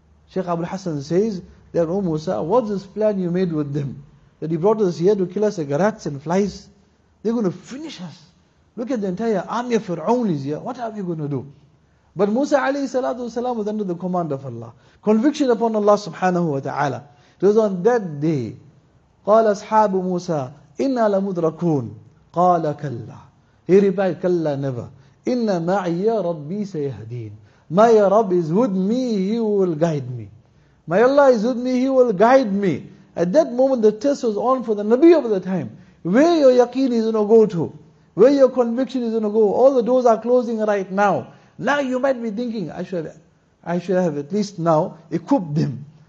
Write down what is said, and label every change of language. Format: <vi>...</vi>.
<en>Sheikh Abu Hassan says, that, oh, Musa, what's this plan you made with them? That he brought us here to kill us like rats and flies. They're going to finish us. Look at the entire army of Fir'aun is here. What are we going to do? But Musa alayhi salatu wasalam was under the command of Allah. Conviction upon Allah subhanahu wa ta'ala. It was on that day.</en> <ar>قَالَ أَصْحَابُ مُوسَىٰ إِنَّا لَمُدْرَكُونَ قَالَ كَلَّا</ar> <en>He replied,</en> <ar>كَلَّا</ar> <en>never.</en> <ar>إِنَّ مَعِيَ رَبِّي سَيَهْدِينَ</ar> <en>My Rabb is with me, He will guide me. My Allah is with me, He will guide me. At that moment the test was on for the Nabi of the time. Where your yaqeen is going to go to? Where your conviction is going to go? All the doors are closing right now. Now you might be thinking, I should have at least now equipped them.</en>